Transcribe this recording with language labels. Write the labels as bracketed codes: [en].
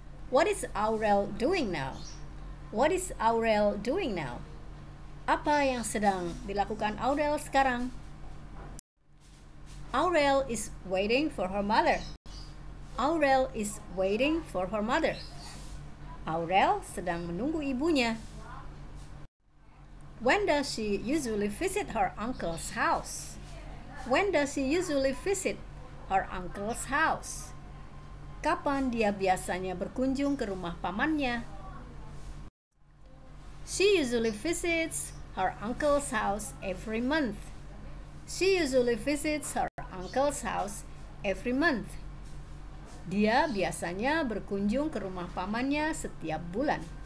[en] What is Aurel doing now? What is Aurel doing now? [id] Apa yang sedang dilakukan Aurel sekarang? [en] Aurel is waiting for her mother. Aurel is waiting for her mother. [id] Aurel sedang menunggu ibunya. [en] When does she usually visit her uncle's house? When does she usually visit her uncle's house? [id] Kapan dia biasanya berkunjung ke rumah pamannya? [en] She usually visits her uncle's house every month. She usually visits her uncle's house every month. [id] Dia biasanya berkunjung ke rumah pamannya setiap bulan.